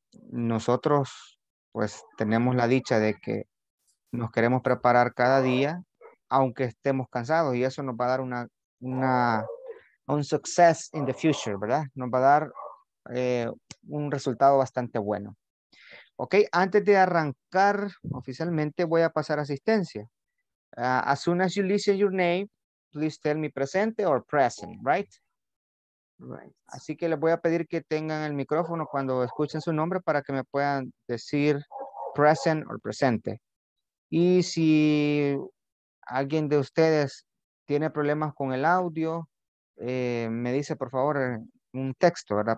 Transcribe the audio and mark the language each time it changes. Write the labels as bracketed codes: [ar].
[es] Nosotros, pues, tenemos la dicha de que nos queremos preparar cada día, aunque estemos cansados, y eso nos va a dar un [en] success in the future, [es] ¿verdad? Nos va a dar un resultado bastante bueno. Ok, antes de arrancar oficialmente, voy a pasar asistencia. [en] As soon as you listen your name, please tell me presente or present, right? Right. [es] Así que les voy a pedir que tengan el micrófono cuando escuchen su nombre para que me puedan decir present or presente. Y si alguien de ustedes tiene problemas con el audio, me dice por favor un texto, ¿verdad?